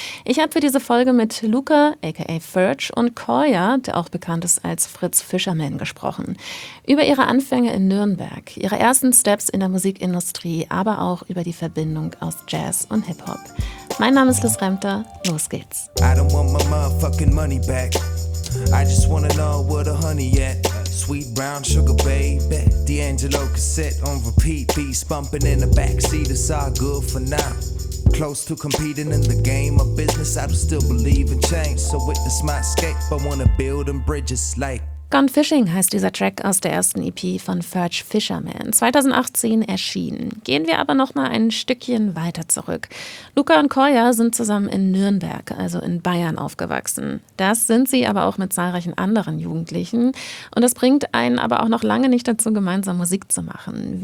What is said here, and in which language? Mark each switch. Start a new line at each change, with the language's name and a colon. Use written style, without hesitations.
German: Ich habe für diese Folge mit Luca, aka Verge, und Koya, der auch bekannt ist als Fritz Fisherman, gesprochen. Über ihre Anfänge in Nürnberg, ihre ersten Steps in der Musikindustrie, aber auch über die Verbindung aus Jazz und Hip-Hop. Mein Name ist Liz Remter, los geht's.
English: I don't want my motherfucking money back. I just wanna know where the honey at. Sweet brown sugar baby. D'Angelo cassette on repeat. Beats bumping in the backseat. It's all good for now. Close to competing in the game of business. I don't still believe in change. So witness my escape. I wanna build them bridges like.
German: Gone Fishing heißt dieser Track aus der ersten EP von Verge Fisherman, 2018 erschienen. Gehen wir aber nochmal ein Stückchen weiter zurück. Luca und Koya sind zusammen in Nürnberg, also in Bayern, aufgewachsen. Das sind sie aber auch mit zahlreichen anderen Jugendlichen. Und das bringt einen aber auch noch lange nicht dazu, gemeinsam Musik zu machen.